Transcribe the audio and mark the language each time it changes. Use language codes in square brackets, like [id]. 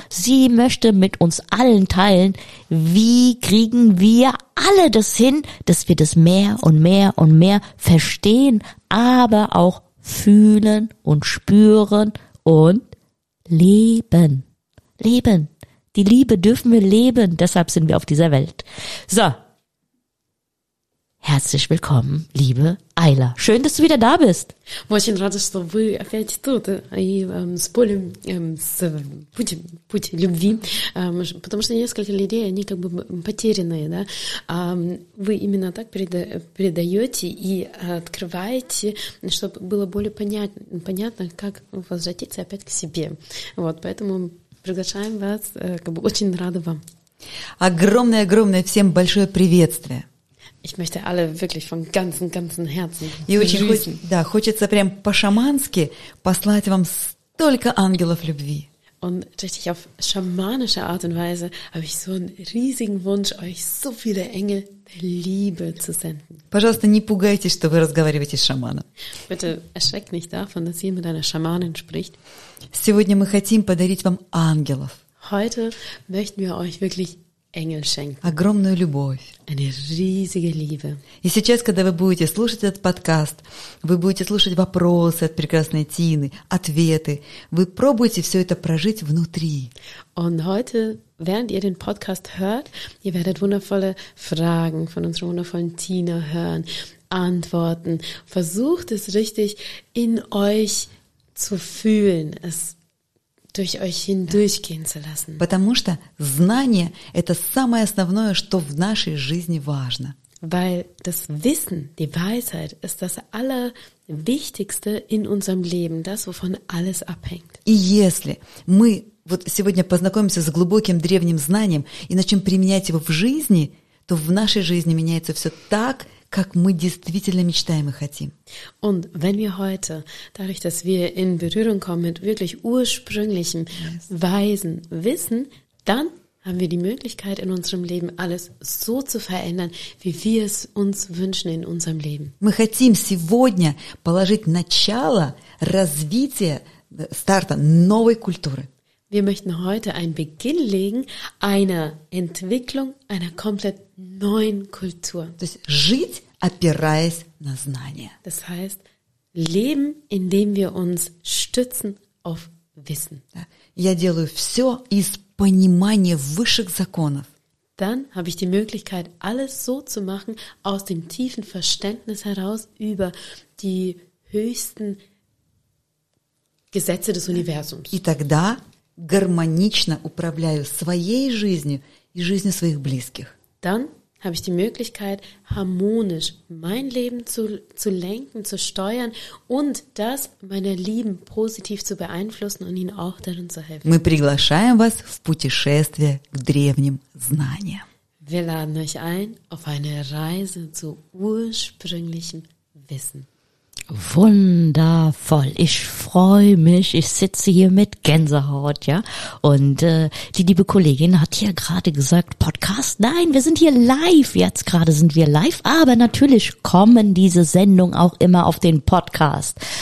[de] Sie möchte mit uns allen teilen, wie kriegen wir alle das hin, dass wir das mehr und mehr und mehr verstehen, aber auch fühlen und spüren und leben. Leben. Die Liebe dürfen wir leben, deshalb sind wir auf dieser Welt. So. Herzlich willkommen, liebe Ayla. Schön, dass du wieder da bist. [ru] Очень рада, что вы опять тут и с полем с путь любви, потому что несколько людей они как бы потерянные, да. Вы именно так передаете и открываете, чтобы было более понятно, как возвратиться опять к себе. Вот, поэтому приглашаем вас, как бы очень рада вам. Огромное всем большое приветствие. [de] Ich möchte alle wirklich von ganzem Herzen grüßen. [ru] Да, хочется прям по-шамански послать вам столько ангелов любви. [de] Und richtig auf schamanische Art und Weise habe ich so einen riesigen Wunsch, euch so viele Engel der Liebe zu senden. [ru] Пожалуйста, не пугайтесь, что вы разговариваете с шаманом. [de] Bitte erschreckt nicht davon, dass ihr mit einer Schamanin spricht. [ru] Сегодня мы хотим подарить вам ангелов. [de] Heute möchten wir euch wirklich Engel schenken. [ru] Огромную любовь. [de] Eine riesige Liebe. [ru] И сейчас, когда вы будете слушать этот подкаст, вы будете слушать вопросы от прекрасной Тины, ответы. Вы пробуете все это прожить внутри. [de] Und heute, während ihr den Podcast hört, ihr werdet wundervolle Fragen von unserer wundervollen Tina hören, Antworten. Versucht es richtig in euch zu fühlen. Es durch euch hindurchgehen zu lassen. [ru] Потому что знание – это самое основное, что в нашей жизни важно. [de] Weil das Wissen, die Weisheit, ist das Allerwichtigste in unserem Leben, das, wovon alles abhängt. [ru] И если мы вот сегодня познакомимся с глубоким древним знанием и начнем применять его в жизни, то в нашей жизни меняется все так, как мы действительно мечтаем и хотим. [de] Und wenn wir heute, dadurch, dass wir in Berührung kommen mit wirklich ursprünglichem, weisen Wissen, dann haben wir die Möglichkeit, in unserem Leben alles so zu verändern, wie wir es uns wünschen in unserem Leben. [ru] Мы хотим сегодня положить начало развития, старта новой культуры. [de] Wir möchten heute einen Beginn legen einer Entwicklung einer komplett neuen Kultur. [ru] То есть жить, опираясь на знания. [de] Das heißt, leben, indem wir uns stützen auf Wissen. [ru] Да. Я делаю все из понимания высших законов. [de] Dann habe ich die Möglichkeit, alles so zu machen, aus dem tiefen Verständnis heraus über die höchsten Gesetze des Universums. [ru] И тогда гармонично управляю своей жизнью и жизнью своих близких. [de] Dann habe ich die Möglichkeit, harmonisch mein Leben zu lenken, zu steuern und das meiner Lieben positiv zu beeinflussen und ihnen auch darin zu helfen. [ru] Мы приглашаем вас в путешествие к древним знаниям. [de] Wir laden euch ein auf eine Reise zu ursprünglichem Wissen. Wundervoll. Ich freue mich. Ich sitze hier mit Gänsehaut, ja. Und die liebe Kollegin hat ja gerade gesagt, Podcast? Nein, wir sind hier live. Jetzt gerade sind wir live. Aber natürlich kommen diese Sendungen auch immer auf den Podcast.